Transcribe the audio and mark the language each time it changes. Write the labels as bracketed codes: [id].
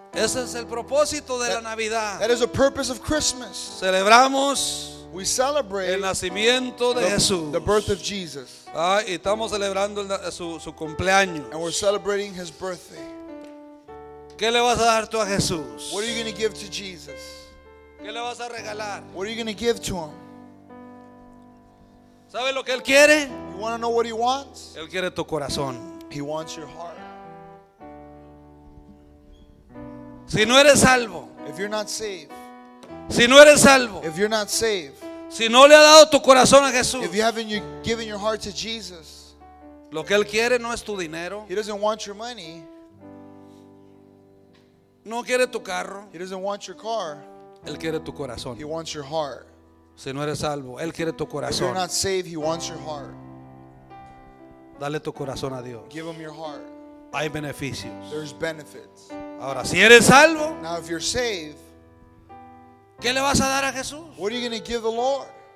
[es] Ese es el propósito de la Navidad. [en] That is the purpose of Christmas. [es] Celebramos, [en] we celebrate [es] el nacimiento de Jesús. [en] The birth of Jesus. [es] Y estamos celebrando su cumpleaños. [en] And we're celebrating his birthday. [es] ¿Qué le vas a dar tú a Jesús? [en] What are you going to give to Jesus? [es] ¿Qué le vas a regalar? [en] What are you going to give to him? [es] ¿Sabe lo que él quiere? [en] You want to know what he wants? [es] Él quiere tu corazón. [en] He wants your heart. [es] Si no eres salvo, [en] if you're not saved, [es] si no eres salvo, [en] if you're not saved, [es] si no le has dado tu corazón a Jesús, [en] if you haven't given your heart to Jesus, [es] lo que él quiere no es tu dinero. [en] He doesn't want your money. [es] No quiere tu carro. [en] He doesn't want your car. [es] Él quiere tu corazón. [en] He wants your heart. [es] Si no eres salvo, él quiere tu corazón. [en] If you're not saved, he wants your heart. [es] Dale tu corazón a Dios. [en] Give him your heart. [es] Hay beneficios. [en] There's benefits. [es] Ahora, si eres salvo, [en] now if you're saved, [es] ¿qué le vas a dar a Jesús? [en] What are you going to give the Lord?